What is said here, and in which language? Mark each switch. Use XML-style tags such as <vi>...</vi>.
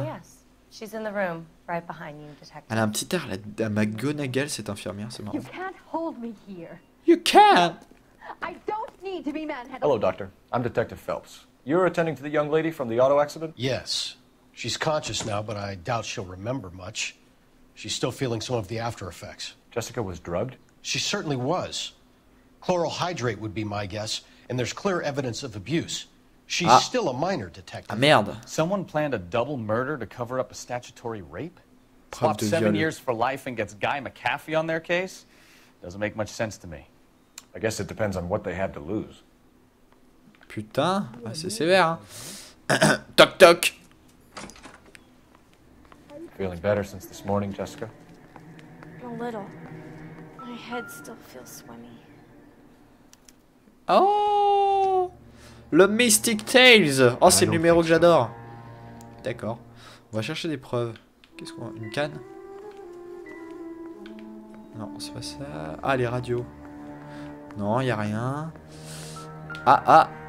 <en>Oh yes, she's in the room, right behind you, Detective.</en> <fr>Elle a un petit air, la McGonagall, cette infirmière, c'est marrant.</fr> <en>You can't hold me here. You can't. I don't need to be manhandled. Hello, Doctor. I'm Detective Phelps. You're attending to the young lady from the auto accident? Yes. She's conscious now, but I doubt she'll remember much. She's still feeling some of the after effects. Jessica was drugged? She certainly was. Chloral hydrate would be my guess, and there's clear evidence of abuse. She's still a minor, detective.</en> <fr>Ah, merde.</fr> <en>Someone planned a double murder to cover up a statutory rape? Popped 7 years for life and gets Guy McAfee on their case? Doesn't make much sense to me. I guess it depends on what they had to lose.</en> <fr>Putain, assez sévère. Toc toc.</fr> <en>Feeling better since this morning, Jessica? A little. My head still feels swimmy.</en> <fr>Oh! Le Mystic Tales. Oh, c'est le numéro que j'adore. D'accord. On va chercher des preuves. Qu'est-ce qu'on a? Une canne? Non, c'est pas ça. Ah, les radios. Non, y a rien. Ah ah.</fr>